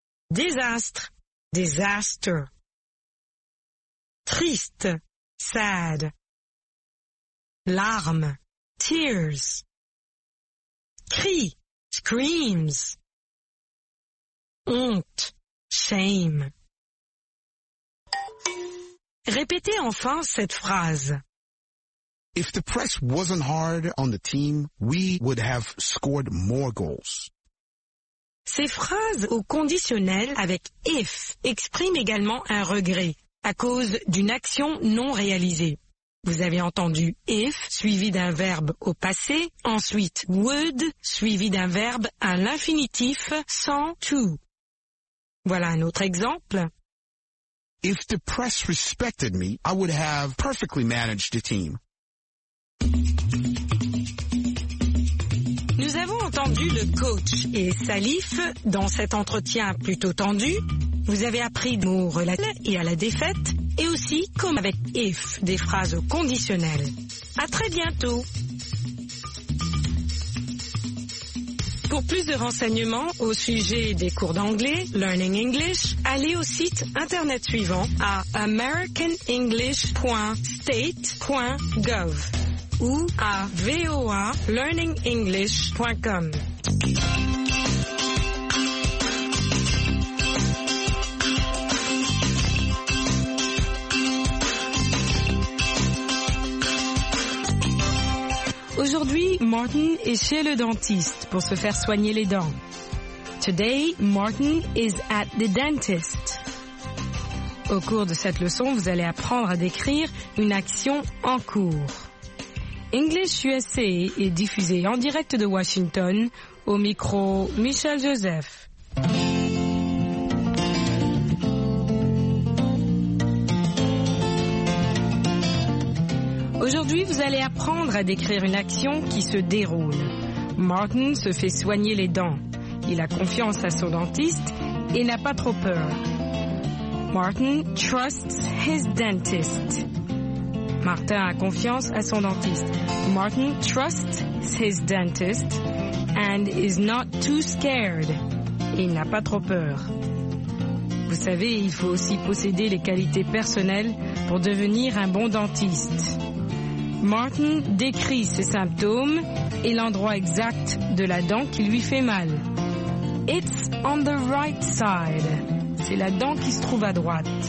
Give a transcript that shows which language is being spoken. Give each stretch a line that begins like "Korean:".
French: Désastre. Disaster. Triste. Sad. Larmes. Tears. Cris.
English: Screams. Honte. Shame.
French: Répétez enfin cette phrase.
English: If the press wasn't hard on the team, we would have scored more goals.
French: Ces phrases au conditionnel avec if expriment également un regret à cause d'une action non réalisée. Vous avez entendu if suivi d'un verbe au passé, ensuite would suivi d'un verbe à l'infinitif sans to. Voilà un autre exemple.
English: If the press respected me, I would have perfectly managed the team.
French: Nous avons entendu le coach et Salif dans cet entretien plutôt tendu. Vous avez appris des mots relatifs et à la défaite, et aussi, comme avec if, des phrases conditionnelles. À très bientôt. Pour plus de renseignements au sujet des cours d'anglais, Learning English, allez au site internet suivant à americanenglish.state.gov ou à voalearningenglish.com. Aujourd'hui, Martin est chez le dentiste pour se faire soigner les dents.
English: Today, Martin is at the dentist.
French: Au cours de cette leçon, vous allez apprendre à décrire une action en cours. English USA est diffusé en direct de Washington au micro Michel Joseph. Aujourd'hui, vous allez apprendre à décrire une action qui se déroule. Martin se fait soigner les dents. Il a confiance à son dentiste et n'a pas trop peur.
English: Martin trusts his dentist.
French: Martin a confiance à son dentiste.
English: Martin trusts his dentist and is not too scared.
French: Il n'a pas trop peur. Vous savez, il faut aussi posséder les qualités personnelles pour devenir un bon dentiste. Martin décrit ses symptômes et l'endroit exact de la dent qui lui fait mal.
English: It's on the right side.
French: C'est la dent qui se trouve à droite.